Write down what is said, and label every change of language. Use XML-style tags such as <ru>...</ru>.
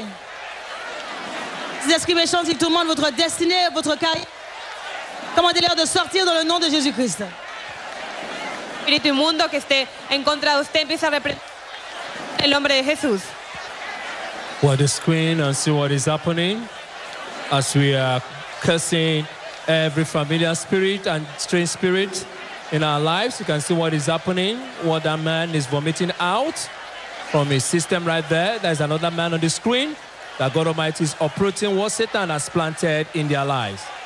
<en>Now.</en> <fr>Ces esprits méchants, ils tourmentent votre destinée, votre carrière. Commandez-leur de sortir dans le nom de Jésus-Christ.</fr> <es>Espíritu mundo que esté en contra de usted empieza a reprender el nombre de Jesús.</es> <en>Watch the screen and see what is happening as we are cursing every familiar spirit and strange spirit in our lives. You can see what is happening, what that man is vomiting out from his system right there. There's another man on the screen that God Almighty is uprooting what Satan has planted in their lives.</en>